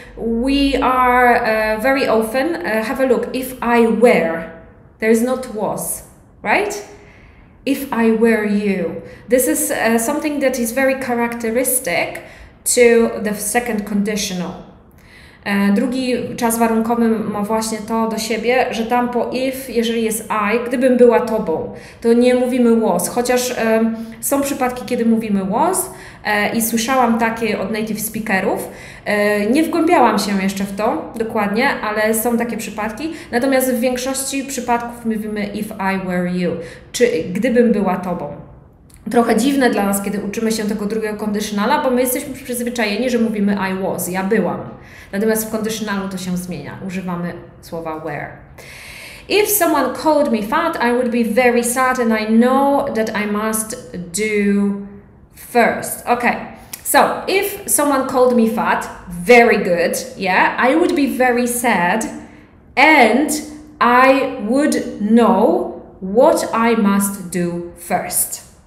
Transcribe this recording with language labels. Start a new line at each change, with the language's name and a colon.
English: We are very often, have a look, if I were, there is not was, right? If I were you. This is something that is very characteristic to the second conditional.
Polish: Drugi czas warunkowy ma właśnie to do siebie, że tam po if, jeżeli jest I, gdybym była tobą, to nie mówimy was. Chociaż są przypadki, kiedy mówimy was i słyszałam takie od native speakerów. Nie wgłębiałam się jeszcze w to dokładnie, ale są takie przypadki. Natomiast w większości przypadków mówimy
English: if I were you,
Polish: czy gdybym była tobą. Trochę dziwne dla nas, kiedy uczymy się tego drugiego conditionala, bo my jesteśmy przyzwyczajeni, że mówimy
English: I was,
Polish: ja byłam. Natomiast w conditionalu to się zmienia. Używamy słowa were.
English: If someone called me fat, I would be very sad and I know that I must do first. Okay, so if someone called me fat, very good, yeah, I would be very sad and I would know what I must do first.